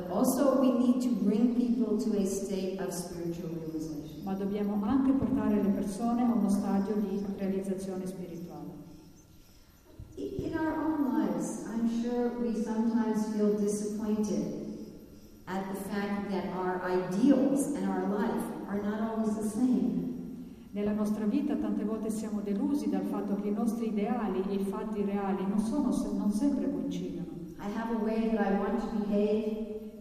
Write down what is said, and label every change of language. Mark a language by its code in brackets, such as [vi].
[en] But also we need to bring people to a state of spiritual realization. [it] Ma dobbiamo anche portare le persone a uno stadio di realizzazione spirituale. [en] In our own lives, I'm sure we sometimes feel disappointed at the fact that our ideals and our life are not always the same. [it] Nella nostra vita tante volte siamo delusi dal fatto che i nostri ideali e i fatti reali non sempre coincidono. [en] I have a way that I want to behave,